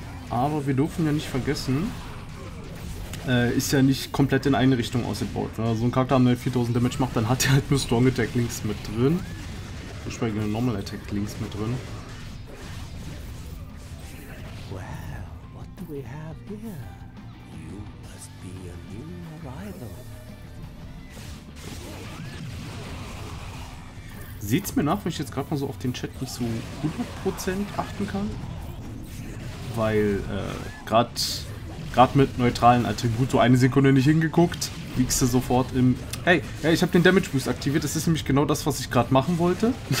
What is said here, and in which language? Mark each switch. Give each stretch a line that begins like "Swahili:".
German: Aber wir dürfen ja nicht vergessen, ist ja nicht komplett in eine Richtung ausgebaut. Wenn so ein Charakter mit 4000 Damage macht, dann hat er halt nur Strong Attack links mit drin. Entsprechend Normal Attack links mit drin.
English: We have here. You must be a new arrival.
German: Seht's mir nach, wenn ich jetzt gerade mal so auf den Chat nicht so 100% achten kann. Weil gerade mit neutralen Attribut so eine Sekunde nicht hingeguckt, liegst du sofort im. Hey, ich habe den Damage Boost aktiviert. Das ist nämlich genau das, was ich gerade machen wollte.